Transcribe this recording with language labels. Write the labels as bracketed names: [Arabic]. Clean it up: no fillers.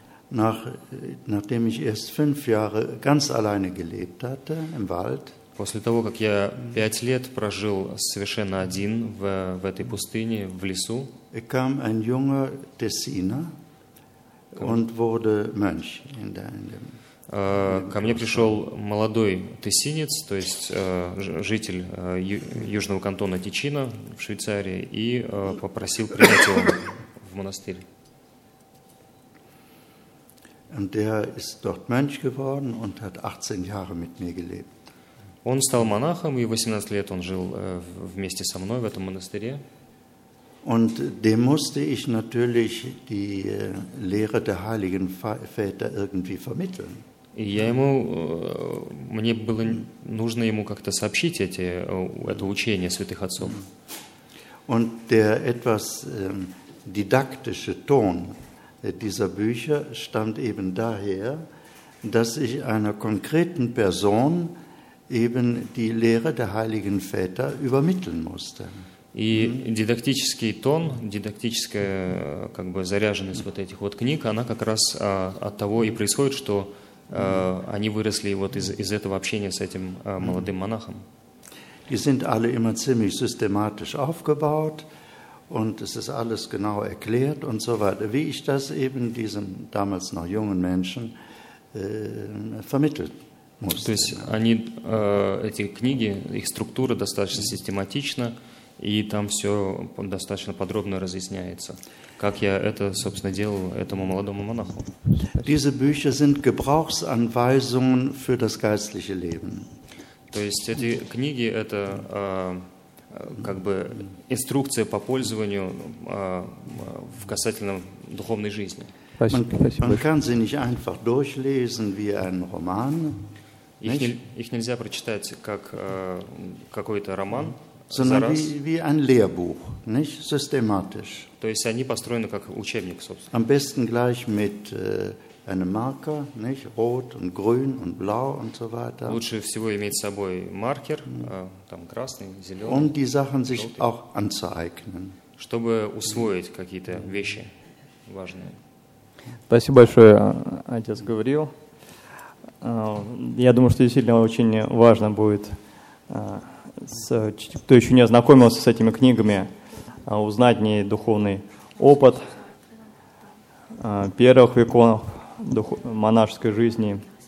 [German] Nachdem ich erst 5 Jahre ganz alleine gelebt hatte im Wald. [Russian] После того, как я 5 лет прожил совершенно один в этой пустыне, в лесу, [German] kam ein junger Tessiner und wurde Mönch in der [Russian] Ко мне пришел молодой тессинец, то есть житель южного кантона Тичино в Швейцарии, и попросил принять его в монастырь. [German] Und der ist dort Mönch geworden und hat 18 Jahre mit mir gelebt. [Russian] Он стал монахом, и 18 лет он жил вместе со мной в этом монастыре. [German] Und dem musste ich natürlich die Lehre der heiligen Väter irgendwie vermitteln. [Russian] И я ему, мне было нужно ему как-то сообщить это учение святых отцов. [German] Und der etwas didaktische Ton dieser Bücher stammt eben daher, dass ich einer konkreten Person eben die Lehre der heiligen Väter übermitteln musste. [Russian] И дидактический тон, дидактическая как бы заряженность вот этих вот книг, она как раз от того и происходит, что они выросли вот из этого общения с этим молодым монахом. [German] Die sind alle immer ziemlich systematisch aufgebaut und es ist alles genau erklärt und so weiter, wie ich das eben diesen damals noch jungen Menschen vermittelt. [Russian] То есть они эти книги, их структура достаточно систематична, и там все достаточно подробно разъясняется, как я это, собственно, делал этому молодому монаху. [German] Diese Bücher sind Gebrauchsanweisungen für das geistliche Leben. [Russian] То есть эти книги – это как бы инструкция по пользованию в касательно духовной жизни. [German] Man kann sie nicht einfach durchlesen wie ein Roman. [Russian] Их нельзя прочитать как какой-то роман. [German] Sondern wie ein Lehrbuch, nicht systematisch. [Russian] То есть они построены как учебник, собственно. [German] Am besten gleich mit einen Marker, nicht? Rot und grün und blau und so weiter. [Russian] Лучше всего иметь с собой маркер, там красный, зелёный. [German] Um die Sachen sich auch anzueignen. [Russian] Чтобы усвоить какие-то вещи важные. Спасибо большое, отец говорил. Я думаю, что действительно очень важно будет, кто еще не ознакомился с этими книгами, узнать ней духовный опыт первых веков монашеской жизни.